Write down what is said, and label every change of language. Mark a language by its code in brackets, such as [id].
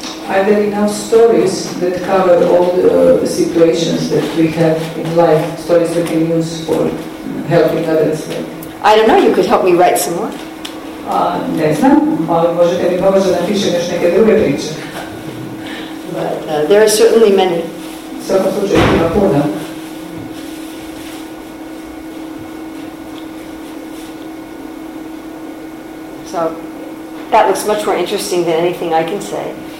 [en] Are there enough stories that cover all the situations that we have in life? Stories that we can use for helping others? I don't know, you could help me write some more. [hr] Ne znam, ali možete mi pomoći da napišem još neke druge priče. [en] But there are certainly many. [hr] Svakom slučaju ima puno. [en] So that looks much more interesting than anything I can say.